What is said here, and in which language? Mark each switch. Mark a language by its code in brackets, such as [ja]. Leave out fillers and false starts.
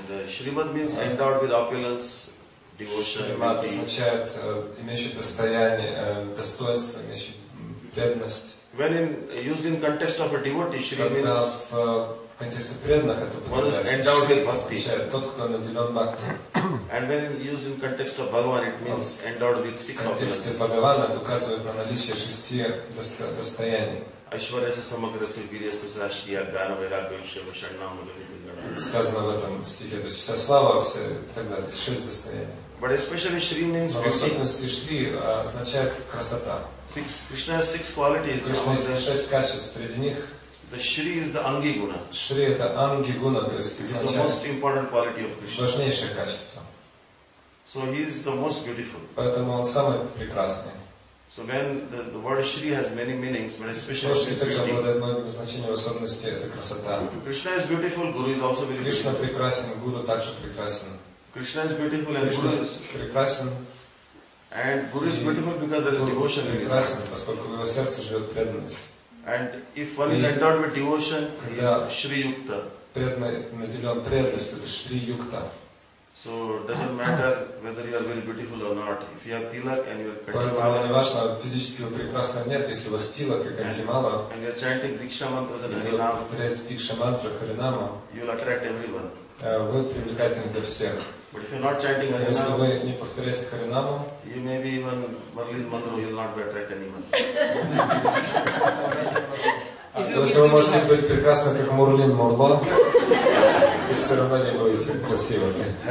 [en] Шримад means endowed with opulence, devotion. [ru] Шримад означает имеющий достояние, достоинство, имеющий преданность. [en] When used in context of a devotee, Шри means [ru] в контексте преданных это подразумевается. Тот, кто наделен бхакти. [en] And when used in context of Bhagavan, it means endowed with six opulences. [ru] В контексте Бхагавана это указывает на наличие шести достояний. [sa] Айшварья самаграсы вирьяса сашрия гана вайрагья ушьяма шаннама лавитингана. [ru] Сказано в этом стихе, то есть вся слава, все и так далее, шесть достояний. [en] But especially Shri means [ru] beauty. Но в особенности Шри означает красота. [en] Six, Krishna has six qualities. Krishna has [ru] шесть качеств, среди них [en] the Shri is the Angi Guna. [ru] Shri это Angi Guna, то есть [en] it's the most important quality of Krishna. [ru] Важнейшее качество. [en] So he is the most beautiful. [ru] Поэтому он самый прекрасный. [en] So when the word Shri has many meanings, but especially Shri [ru] также обладает много значений, в особенности это красота. [en] Krishna is beautiful. Guru is also beautiful. [ru] Krishna прекрасен, Guru также прекрасен. [en] Krishna is beautiful and Guru is [ru] прекрасен. [en] And Guru is beautiful because there is devotion. [ru] Прекрасен, поскольку в его сердце живет преданность. [en] And if one is endowed with devotion, he is Shri Yukta. [ru] Наделен преданностью, это Shri Yukta. [en] So doesn't matter whether you are very beautiful or not. If you have tilak and you are cutting flowers. [ru] Поэтому не важно физически вы прекрасны или нет, если у вас тилак и кантимала. [en] And you are chanting Diksha mantras and Harinama. [ru] Повторяете Диксха мантру Харинама. [en] You will attract everyone. [ru] Вы привлекательны для всех. [en] But if you are not chanting Harinama. [ru] Если вы не повторяете Харинама. [en] You may be even Marlin Mandro, you will not be attract anyone. [ru] То есть вы можете быть прекрасны, как Мурлин Мурло, и все равно не будете красивыми.